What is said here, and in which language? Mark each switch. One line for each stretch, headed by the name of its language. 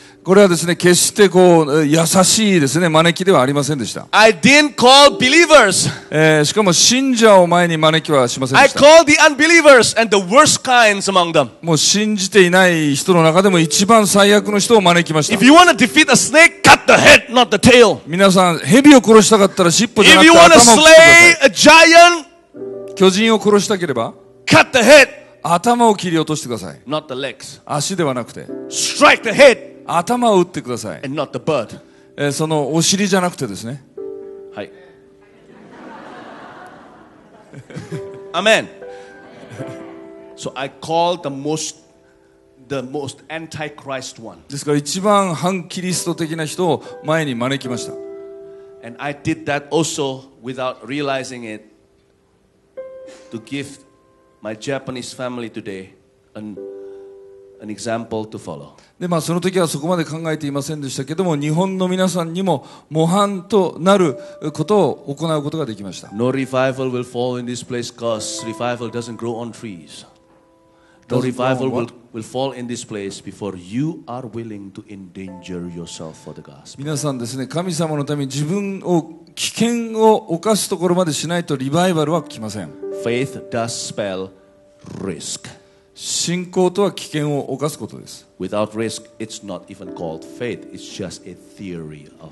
Japanese: これはですね、決してこう優しいですね招きではありませんでした。
English: I didn't call believers.
Japanese: しかも信者を前に招きはしませんでした。
English: I called the unbelievers and the worst kinds among them.
Japanese: もう信じていない人の中でも一番最悪の人を招きました。
English: If you want to defeat a snake, cut the head, not the tail.
Japanese: 皆さん、蛇を殺したかったら尻尾じゃなくて頭を切ってください。
English: If you want to slay a giant,
Japanese: 巨人を殺したければ、
English: cut the head.
Japanese: 頭を切り落としてください。
English: Not the legs.
Japanese: 足ではなくて、
English: strike the head.
Japanese: 頭を打ってください。
English: And not the bird.
Japanese: そのお尻じゃなくてですね。はい。
English: アメン。So I call the most antichrist one.
Japanese: ですから一番反キリスト的な人を前に招きました。
English: And I did that also without realizing it to give my Japanese family today an example to follow.
Japanese: でまあ、その時はそこまで考えていませんでしたけども、日本の皆さんにも模範となることを行うことができました。
English: No revival will fall in this place because revival doesn't grow on trees. No revival will fall in this place before you are willing to endanger yourself for the gospel.
Japanese: 皆さんですね、神様のために自分を危険を犯すところまでしないとリバイバルは来ません。
English: Faith does spell risk.
Japanese: 信仰とは危険を犯すことです。
English: Without risk, it's not even called faith. It's just a theory of